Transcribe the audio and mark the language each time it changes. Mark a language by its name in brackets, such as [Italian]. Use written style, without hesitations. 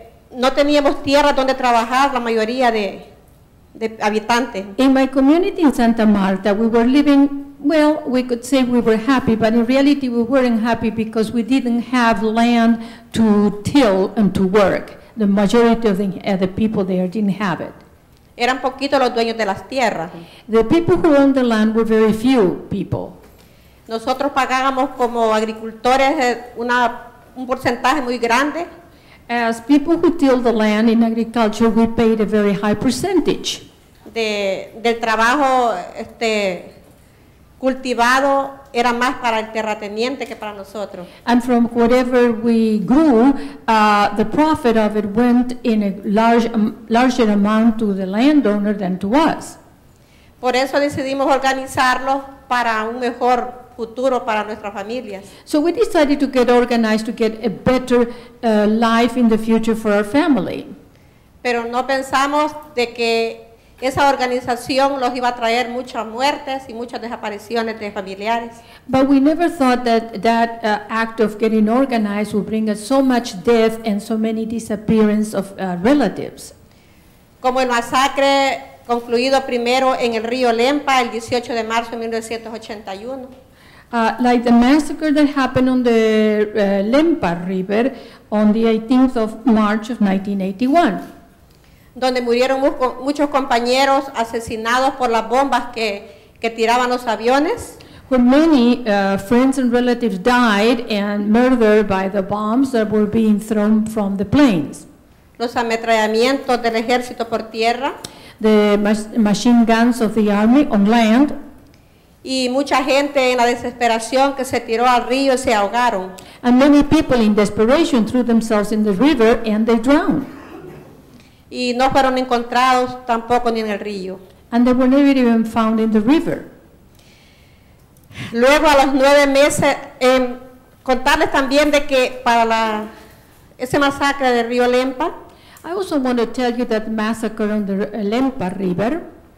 [Spanish] no teníamos tierra donde trabajar la mayoría de habitantes. [English] In my community in Santa Marta, we were living, well, we could say we were happy, but in reality we weren't happy because we didn't have land to till and to work. The majority of the people there didn't have it. [Spanish] Eran poquitos los dueños de las tierras. [English] The people who owned the land were very few people. [Spanish] Nosotros pagábamos como agricultores un porcentaje muy grande. [English] As people who till the land in agriculture, we paid a very high percentage. [Spanish] Del trabajo cultivado era más para el terrateniente que para nosotros. [English] And from whatever we grew, the profit of it went in a larger amount to the landowner than to us. [Spanish] Por eso decidimos organizarlo para un mejor futuro para nuestras familias. [English] So we decided to get organized to get a better life in the future for our family. [Spanish] Pero no pensamos de que esa organización los iba a traer muchas muertes y muchas desapariciones de familiares. [English] But we never thought that act of getting organized would bring us so much death and so many disappearance of relatives. [Spanish] Como el masacre concluido primero en el río Lempa el 18 de marzo de 1981. [English] Like the massacre that happened on the Lempa River on the 18th of March of 1981. [Spanish] Donde murieron muchos compañeros asesinados por las bombas que tiraban los aviones. [English] Where many friends and relatives died and murdered by the bombs that were being thrown from the planes. [Spanish] Los ametrallamientos del ejército por tierra. [English] The machine guns of the army on land. [Spanish] Y mucha gente en la desesperación que se tiró al río y se ahogaron. [English] And many people in desperation threw themselves in the river and they drowned. [Spanish] Y no fueron encontrados tampoco ni en el río. [English] And they were never even found in the river. [Spanish] Luego a los 9 meses, contarles también de que para ese masacre del río Lempa. [English] I also want to tell you that massacre on the Lempa River.